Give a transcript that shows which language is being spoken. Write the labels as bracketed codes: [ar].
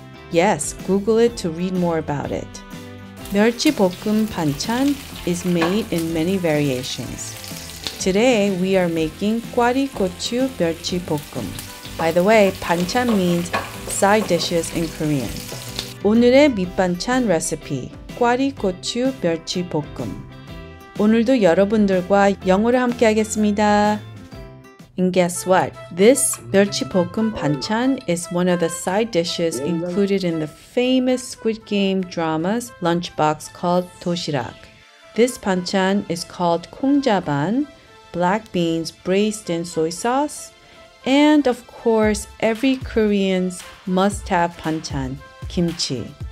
[en] Yes, Google it to read more about it. 멸치볶음 반찬 is made in many variations. Today, we are making 꽈리고추 멸치볶음. By the way, 반찬 means side dishes in Korean. [ko] 오늘의 밑반찬 레시피, 꽈리고추 멸치볶음. 오늘도 여러분들과 영어를 함께 하겠습니다. [en] And guess what? This 멸치볶음 반찬 is one of the side dishes included in the famous Squid Game drama's lunchbox called 도시락. This 반찬 is called 콩자반, black beans braised in soy sauce, and of course, every Korean's must-have 반찬, kimchi.